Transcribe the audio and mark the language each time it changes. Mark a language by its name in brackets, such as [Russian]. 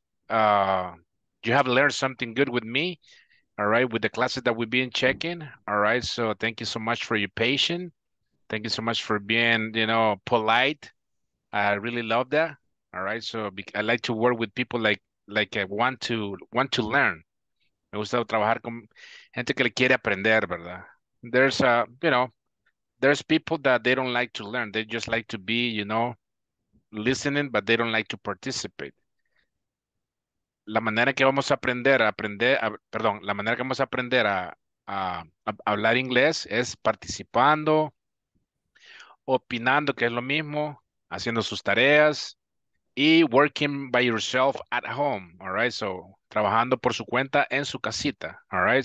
[English] You have learned something good with me, all right, with the classes that we've been checking. All right, so thank you so much for your patience. Thank you so much for being, you know, polite. I really love that. All right, so I like to work with people like I want to learn. [Spanish] Me gusta trabajar con gente que le quiere aprender, ¿verdad? [English] There's you know, there's people that they don't like to learn. They just like to be, you know, listening, but they don't like to participate. [Spanish] La manera que vamos a aprender la manera que vamos a aprender a hablar inglés es participando, opinando, que es lo mismo, haciendo sus tareas. [English] Y working by yourself at home, all right? So, [Spanish] trabajando por su cuenta en su casita, [English] all right?